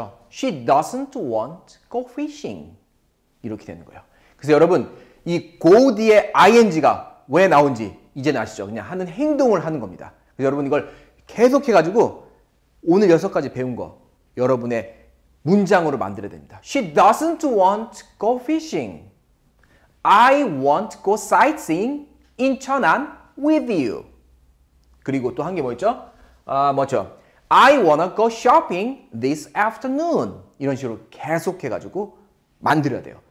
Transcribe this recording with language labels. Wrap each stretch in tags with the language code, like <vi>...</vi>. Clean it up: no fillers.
<en>She doesn't want go fishing.</en> <ko>이렇게 되는 거예요. 그래서 여러분 이 go 뒤에 ing가 왜 나온지 이제는 아시죠? 그냥 하는 행동을 하는 겁니다. 그래서 여러분 이걸 계속해가지고 오늘 여섯 가지 배운 거 여러분의 문장으로 만들어야 됩니다.</ko> <en>She doesn't want go fishing. I want go sightseeing in 천안 with you.</en> <ko>그리고 또 한 게 뭐였죠? 아, 뭐죠?</ko> <en>I wanna go shopping this afternoon.</en> <ko>이런 식으로 계속해가지고 만들어야 돼요.</ko>